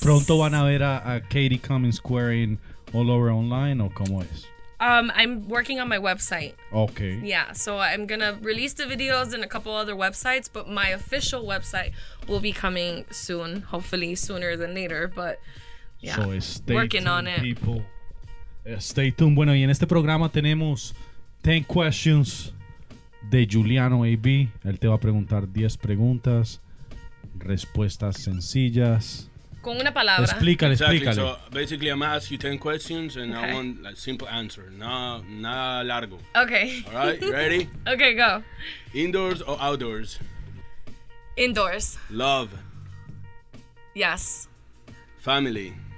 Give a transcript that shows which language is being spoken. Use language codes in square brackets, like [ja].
[es] Pronto van a ver a Katie Cummings [en] squirting all over online, or [es] cómo es? [en] I'm working on my website. Okay. Yeah, so I'm going to release the videos in a couple other websites, but my official website will be coming soon, hopefully sooner than later, but yeah, so stay working tuned, on it. People. Stay tuned. [es] Bueno, y en este programa tenemos 10 questions de Juliano AB. Él te va a preguntar 10 preguntas, respuestas sencillas. Con una palabra. Explícale, explícale. [en] Exactly. So basically, I'm gonna ask you 10 questions and okay. I want a simple answer. [es] Nada largo. [en] Okay. All right, ready? Okay, go. Indoors or outdoors? Indoors. Love. Yes. Family.